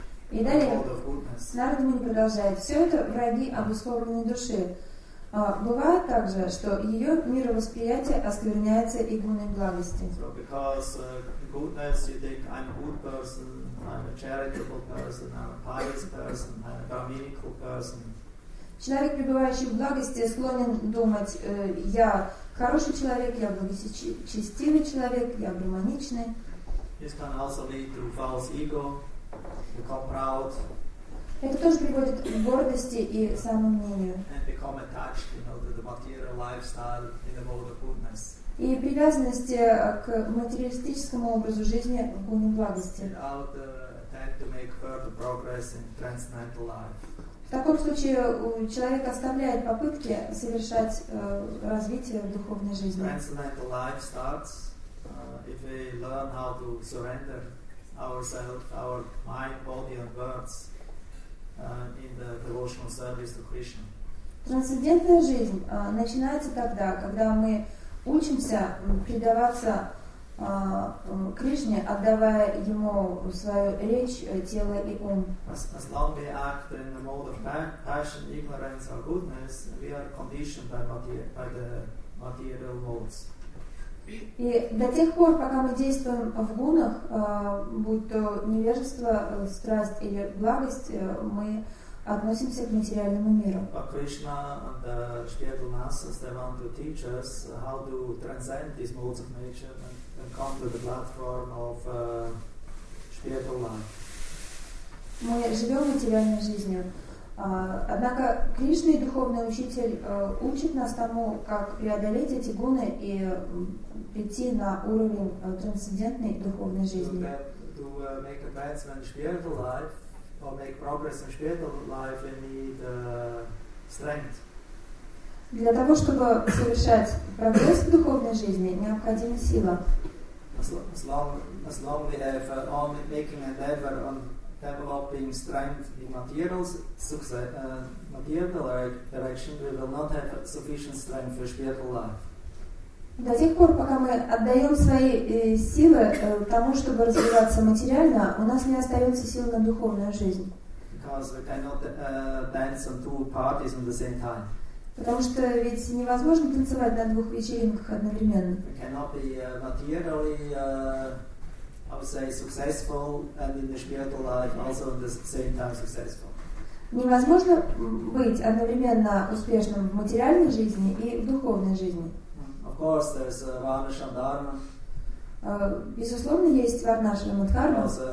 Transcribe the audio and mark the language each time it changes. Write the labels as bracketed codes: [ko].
[ru] И далее Нарада Муни продолжает: все это враги обусловленной души. Бывает также, что ее мировосприятие оскверняется игуной благости. [en] So because goodness, you think I'm a good person, I'm a charitable person, I'm a pious person, I'm a brahminical person. [ru] Человек, пребывающий в благости, склонен думать: я хороший человек, я благочестивый человек, я брахманичный. [en] This can also lead to false ego, become proud. [ru] Это тоже приводит к гордости и самомнению. [en] And become attached, you know, to the material lifestyle in the mode of goodness. [ru] И привязанности к материалистическому образу жизни в гуне благости. [en] Without attempt to make further progress in transcendental life. [ru] В таком случае человек оставляет попытки совершать развитие в духовной жизни. [en] Transcendental life starts if we learn how to surrender ourselves, our mind, body and words. In the devotional service to Krishna. [ru] Трансцендентная жизнь начинается тогда, когда мы учимся предаваться Кришне, отдавая ему свою речь, тело и ум. [en] As long we act in the mode of passion, ignorance or goodness, we are conditioned by the material modes. [ru] И до тех пор, пока мы действуем в гунах, будь то невежество, страсть или благость, мы относимся к материальному миру. [en] But Krishna and the Shvetanasas, they want to teach us how to transcend these modes of nature and come to the platform of Shvetanasas. [ru] Мы живем материальной жизнью. Однако Кришна и духовный учитель учат нас тому, как преодолеть эти гуны и прийти на уровень трансцендентной духовной жизни. [en] To make advancement in spiritual life or make progress in spiritual life, we need strength. [ru] Для того, чтобы совершать прогресс в духовной жизни, необходима сила. [en] As long we have only making endeavor on developing strength in material success, material direction, we will not have sufficient strength for spiritual life. [ru] До тех пор, пока мы отдаем свои силы тому, чтобы развиваться материально, у нас не остается сил на духовную жизнь. [en] Because we cannot dance on two parties at the same time. [ru] Потому что ведь невозможно танцевать на двух вечеринках одновременно. [en] We cannot be materially, I would say, successful and in the spiritual life also at the same time successful. [ru] Невозможно быть одновременно успешным в материальной жизни и в духовной жизни. [en] Of course, there's Varnashandharma. [ru] Безусловно, есть варнашрама дхарма.